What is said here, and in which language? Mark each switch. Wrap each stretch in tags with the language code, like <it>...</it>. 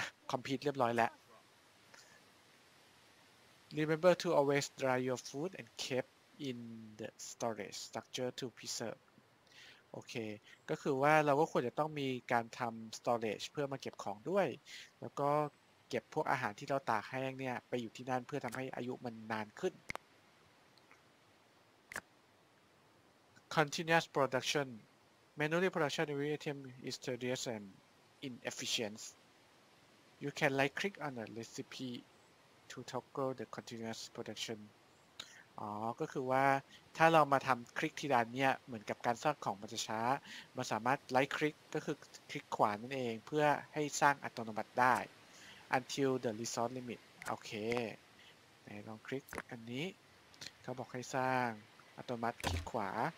<th>complete เรียบร้อยแล้ว</th> <en>Remember to always dry your food and keep in the storage structure to preserve</en> <th>โอเคก็คือว่าเราก็ควรจะต้องมีการทำ storage เพื่อมาเก็บของด้วยแล้วก็เก็บพวกอาหารที่เราตากแห้งเนี่ยไปอยู่ที่นั่นเพื่อทำให้อายุมันนานขึ้น</th> <en>continuous production manually production every item is tedious and inefficient. You can right click on the recipe to toggle the continuous production.</en> <th>ก็คือว่าถ้าเรามาทำคลิกที่ด้านเนี้ยเหมือนกับการสร้างของมันจะช้ามันสามารถไลท์คลิกก็คือคลิกขวานั่นเองเพื่อให้สร้างอัตโนมัติได้</th> <en>until the resource limit</en> <th>โอเคลองคลิกอันนี้เขาบอกให้สร้างอัตโนมัติคลิกขวา</th>